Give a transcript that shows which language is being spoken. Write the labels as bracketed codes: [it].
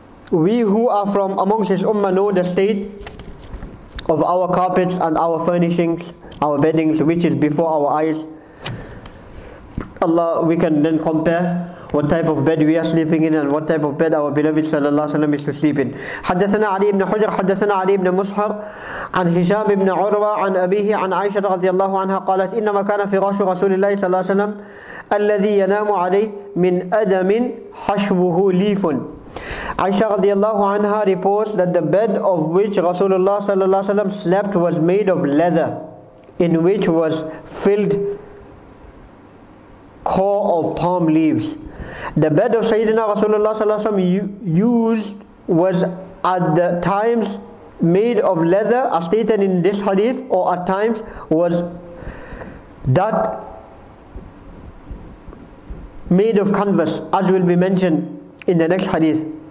[en] We who are from amongst his ummah know the state of our carpets and our furnishings, our beddings, which is before our eyes. Allah, we can then compare what type of bed we are sleeping in and what type of bed our beloved sallallahu alaihi wasallam is to sleep in. [ar] حدثنا علي بن حجر حدثنا علي بن مصحر عن هشام بن عروة عن أبيه عن عائشة رضي الله عنها قالت إنما كان فراش رسول الله صلى الله عليه وسلم الَّذِي يَنَامُ عَلَيْهِ مِنْ أَدَمٍ حَشْوُهُ لِيفٌ. [en] Aisha radiallahu anha reports that the bed of which Rasulullah sallallahu alayhi wa sallam slept was made of leather, in which was filled core of palm leaves. The bed of Sayyidina Rasulullah sallallahu alayhi wa sallam used was at the times made of leather, as stated in this hadith, or at times was that made of canvas, as will be mentioned in the next hadith.